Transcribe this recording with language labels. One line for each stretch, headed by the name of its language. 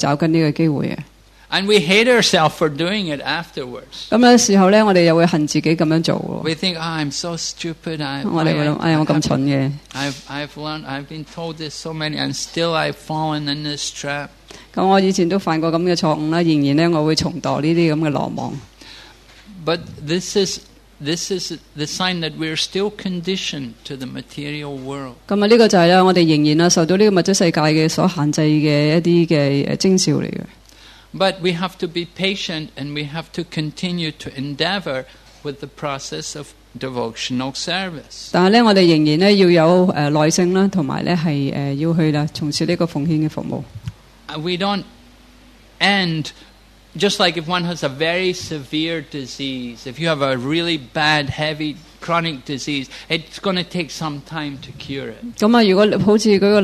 Chinese: 雖然我們不下數百次聽過,我不是這個身體,我是身體裡的靈魂,但一旦有機會享樂的話,我們立刻會抓緊這個機會。
English: And we hate ourselves for doing it afterwards.
Chinese: 事後我們又會恨自己這樣做。
English: We think, oh, I'm so stupid, I've been told this so many, and still I've fallen in this trap.
Chinese: 我以前都犯過這樣的錯誤,仍然我會重蹈這些狼狽。
English: But this is the sign that we are still conditioned to the material world.
Chinese: 這就是我們仍然受到物質世界所限制的一些徵兆。
English: But we have to be patient and we have to continue to endeavor with the process of devotional service.
Chinese: 但我們仍然要有耐性,以及要去從事奉獻的服務。
English: We don't end. Just like if one has a very severe disease, if you have a really bad, heavy, chronic disease, it's going to take some time to cure it.